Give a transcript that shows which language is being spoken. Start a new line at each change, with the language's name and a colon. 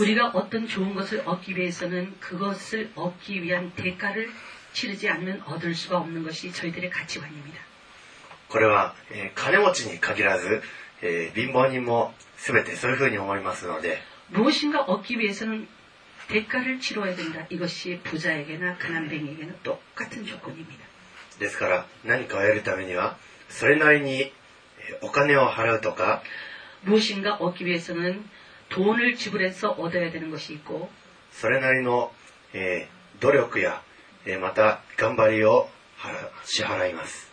Korean: 우리가어떤좋은것을얻기위해서는그것을얻기위한대가를치르지않으면얻을수가없는것이저희들의가치관입니다。
Japanese: これは金持ちに限らず貧乏人も全てそういうふうに思いますので、
Korean: 무엇인가얻기위해서는대가를치러야된다。 이것이부자에게나가난뱅이에게는똑같은조건입니다。
Japanese: ですから何かを得るためにはそれなりにお金を払うとか、
Korean: 무엇인가얻기위해서는돈을지불해서얻어야되는것이있고、
Japanese: それなりの努力やまた頑張りを支払います。